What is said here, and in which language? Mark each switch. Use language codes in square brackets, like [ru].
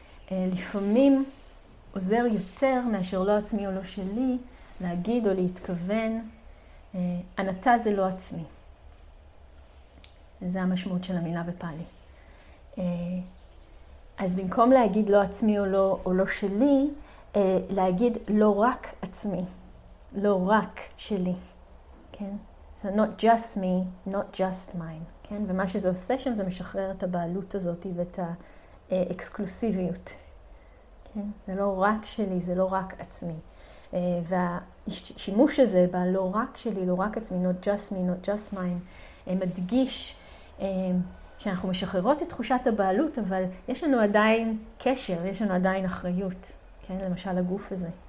[he] לפעמים עוזר יותר מאשר לא עצמי או לא שלי להגיד או להתכוון, ענתה זה לא עצמי. זה המשמעות של המילה בפאלי. אז במקום להגיד לא עצמי או לא שלי, להגיד לא רק עצמי, לא רק שלי, כן? [en] So not just me, not just mine. [he] כן? ומה שזה עושה שם זה משחרר את הבעלות הזאת ואת האקסקלוסיביות. כן? זה לא רק שלי, זה לא רק עצמי. והשימוש הזה בלא רק שלי, לא רק עצמי, [en] not just me, not just mine, [he] מדגיש שאנחנו משחררות את תחושת הבעלות, אבל יש לנו עדיין קשר, יש לנו עדיין אחריות. כן? למשל הגוף הזה.